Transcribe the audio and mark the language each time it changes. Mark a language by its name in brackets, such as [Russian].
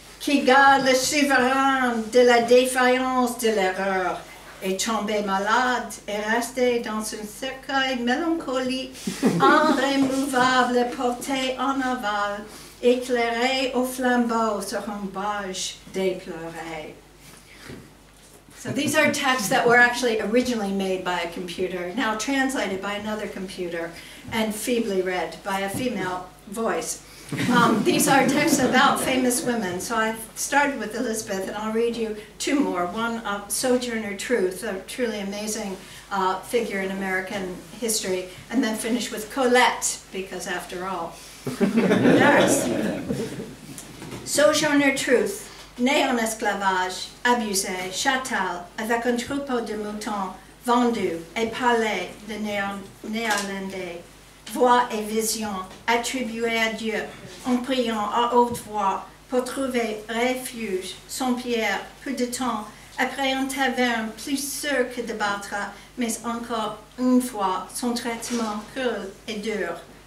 [French] qui garde le souverain de la défaillance de l'erreur, est tombé malade et resté dans un cercueil mélancolique, irrémouvable, porté en aval, éclairé au flambeau sur un barge déploré. [English] So these are texts that were actually originally made by a computer, now translated by another computer, and feebly read by a female voice. These are texts about famous women. So I started with Elizabeth, and I'll read you two more. One, Sojourner Truth, a truly amazing figure in American history, and then finish with Colette, because after all, yes. Sojourner Truth. [French] Né en esclavage, abusé, châtel, avec un troupeau de moutons, vendu et parlé de néerlandais, voix et vision attribuées à Dieu, en priant à haute voix pour trouver refuge, sans pierre, peu de temps, après un taverne plus sûr que de battre, mais encore une fois, son traitement cruel et dur,